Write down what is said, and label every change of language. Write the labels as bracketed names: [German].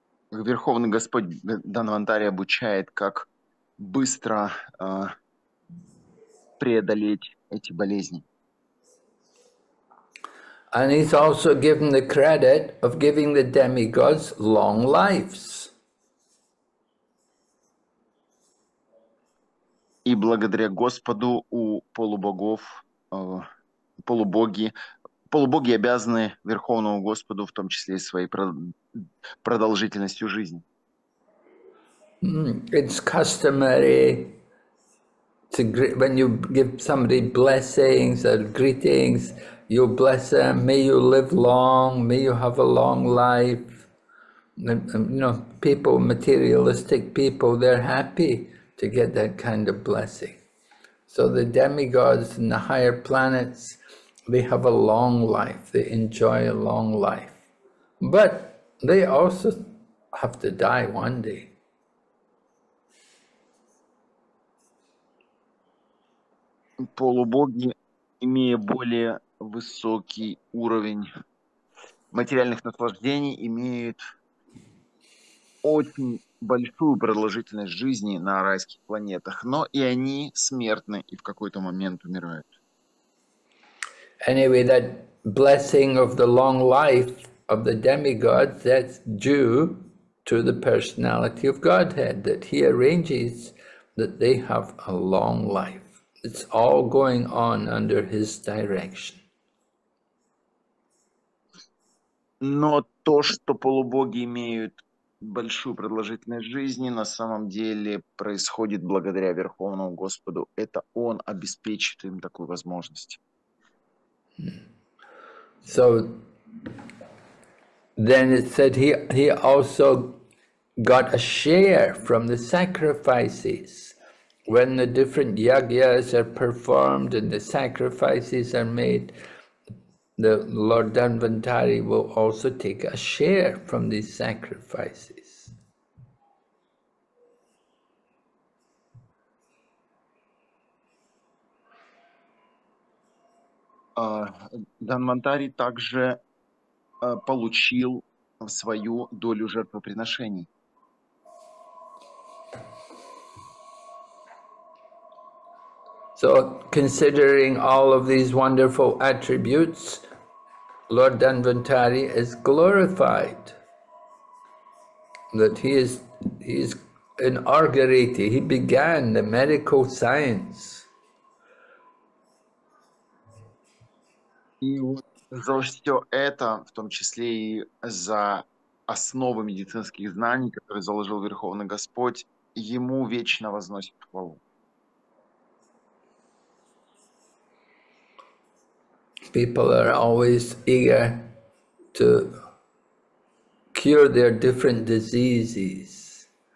[Russian] Верховный Господь Данвантари обучает, как быстро преодолеть эти болезни. [English] And he's also given the credit of giving the demigods long lives. [Russian] И благодаря Господу у полубогов, полубоги обязаны Верховному Господу, в том числе и своей продолжительностью жизни. [English] It's customary to greet, when you give somebody blessings or greetings, you bless them, may you live long, may you have a long life. You know, people, materialistic people, they're happy to get that kind of blessing. So the demigods in the higher planets, they have a long life, they enjoy a long life. But they also have to die one day. [Russian] Полубоги, имея более высокий уровень материальных наслаждений, имеют очень большую продолжительность жизни на райских планетах, но и они смертны и в какой-то момент умирают. [English] Anyway, that blessing of the long life of the demigods, that's due to the personality of Godhead, that he arranges that they have a long life. It's all going on under his direction. [Russian] Но то, что полубоги имеют большую продолжительность жизни, на самом деле происходит благодаря Верховному Господу. Это он обеспечит им такую возможность. [English] So then it said he also got a share from the sacrifices. When the different yagyas are performed and the sacrifices are made, the Lord Danvantari will also take a share from these sacrifices. [Russian] Данвантари также получил свою долю жертвоприношений. [English] So, considering all of these wonderful attributes, Lord Danvantari is glorified. That he is inaugurated, he began the medical science. [Russian] И за все это, в том числе и за основы медицинских знаний, которые заложил Верховный Господь, ему вечно возносит хвалу. [English] People are always eager to cure their different diseases.